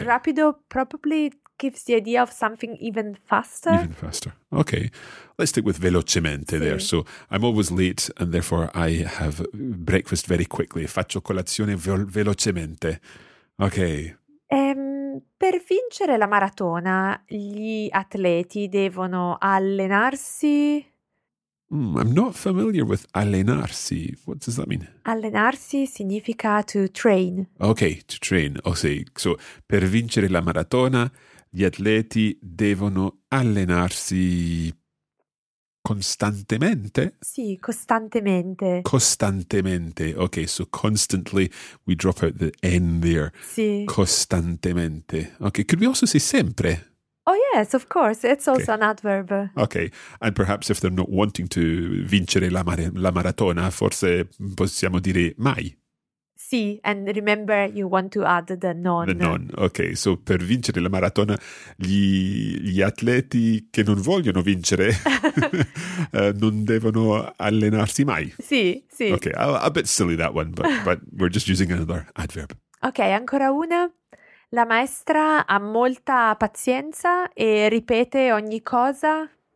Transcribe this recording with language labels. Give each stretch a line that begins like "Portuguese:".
English: Or rapido probably gives the idea of something even faster. Even faster. Okay. Let's stick with velocemente
Italian: sì.
English: there. So I'm always late and therefore I have breakfast very quickly.
Italian: Faccio colazione velocemente.
English: Okay.
Italian: Per vincere la maratona, gli atleti devono allenarsi...
English: I'm not familiar with allenarsi. What does that mean?
Italian: Allenarsi significa
English: to train. Okay, to train. Oh, sì. So,
Italian: per vincere la maratona... Gli atleti devono allenarsi costantemente? Sì, costantemente. Costantemente.
English: Ok, so constantly, we drop out the N there.
Italian: Sì. Costantemente.
English: Ok, could we also say sempre? Oh yes, of course, it's also okay. an adverb. Ok, and perhaps if they're not wanting to
Italian: vincere la maratona, forse possiamo dire mai.
English: Sì, and remember you want to add the non. The non, ok.
Italian: So per vincere la maratona, gli atleti che non vogliono vincere non devono allenarsi mai. Sì, sì.
English: Ok, a bit silly that one, but we're just using another adverb.
Italian: Ok, ancora una. La maestra ha molta pazienza e ripete ogni cosa.